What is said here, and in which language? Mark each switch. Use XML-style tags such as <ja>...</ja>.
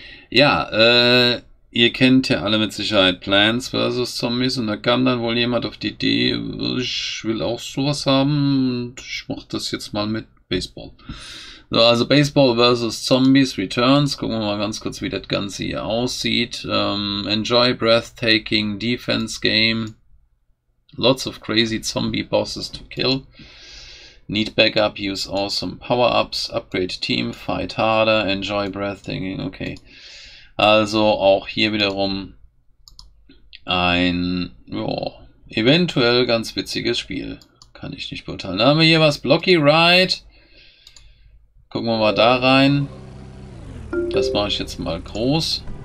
<de>Ja, ihr kennt ja alle mit Sicherheit Plants vs. Zombies und da kam dann wohl jemand auf die Idee, ich will auch sowas haben und ich mach das jetzt mal mit Baseball. So, also Baseball vs. Zombies Returns. Gucken wir mal ganz kurz, wie das Ganze hier aussieht.</de> <en>Enjoy breathtaking defense game. Lots of crazy zombie bosses to kill. Need backup, use awesome power-ups, upgrade team, fight harder, enjoy breathtaking, okay.</en> <de>Also auch hier wiederum ein, eventuell ganz witziges Spiel. Kann ich nicht beurteilen. Dann haben wir hier was, Blocky Ride. Gucken wir mal da rein. Das mache ich jetzt mal groß.</de>